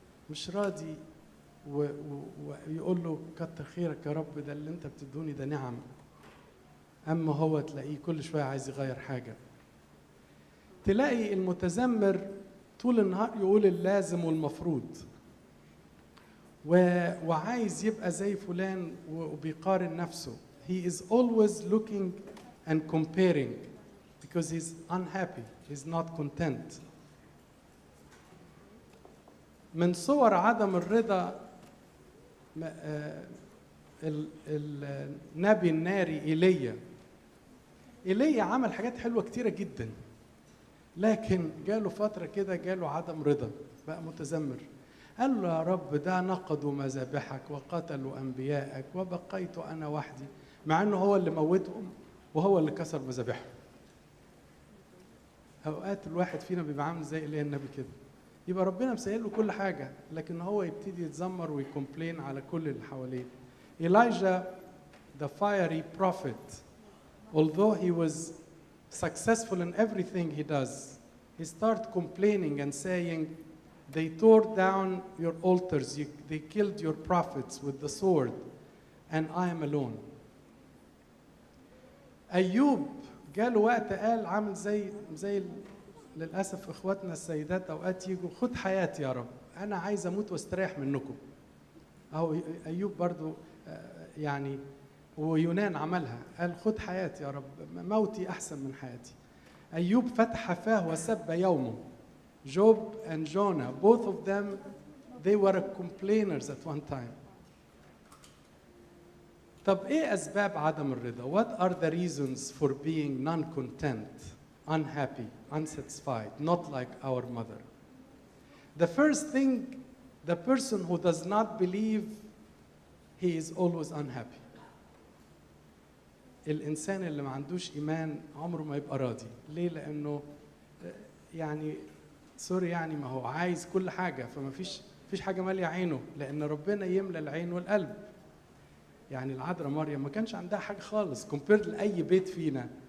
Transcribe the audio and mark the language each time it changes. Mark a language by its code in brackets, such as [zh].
[ar] مش راضي ويقول له كتر خيرك يا رب ده اللي انت بتدوني ده نعم. أما هو تلاقيه كل شوية عايز يغير حاجة. تلاقي المتذمر طول النهار يقول اللازم والمفروض وعايز يبقى زي فلان وبيقارن نفسه. [en] He is always looking and comparing because he's unhappy, he's not content. [ar] من صور عدم الرضا النبي الناري إيليا. إيليا عمل حاجات حلوة كتيرة جدا، لكن جاله فترة كده جاله عدم رضا، بقى متذمر. قال له يا رب ده نقضوا مذابحك وقتلوا أنبياءك وبقيت أنا وحدي، مع أنه هو اللي موتهم وهو اللي كسر مذابحهم. أوقات الواحد فينا بيبقى عامل زي إيليا النبي كده، يبقى ربنا مسهل له كل حاجة، لكن هو يبتدي يتذمر ويكومبلين على كل اللي حواليه. [en] Elijah, the fiery prophet, although he was successful in everything he does, he started complaining and saying, they tore down your altars, they killed your prophets with the sword, and I am alone. [ar] Ayub, جاله وقت قال عامل زي للأسف إخواتنا السيدات أوقات يجوا خد حياتي يا رب، أنا عايز أموت واستريح منكم. أهو أيوب برضو يعني، ويونان عملها، قال خد حياتي يا رب، موتي أحسن من حياتي. أيوب فتح فاه وسب يومه. [en] Job and Jonah, both of them, they were complainers at one time. [ar] طب إيه أسباب عدم الرضا؟ [en] What are the reasons for being non-content, unhappy, unsatisfied, not like our mother? The first thing, the person who does not believe, he is always unhappy. [ar] الإنسان اللي ما عندوش إيمان عمره ما يبقى راضي. ليه؟ لأنه يعني سوري يعني ما هو عايز كل حاجة، فما فيش حاجة مالية عينه، لأن ربنا يملى العين والقلب. يعني العذراء مريم ما كانش عندها حاجة خالص كومبيرد لأي بيت فينا.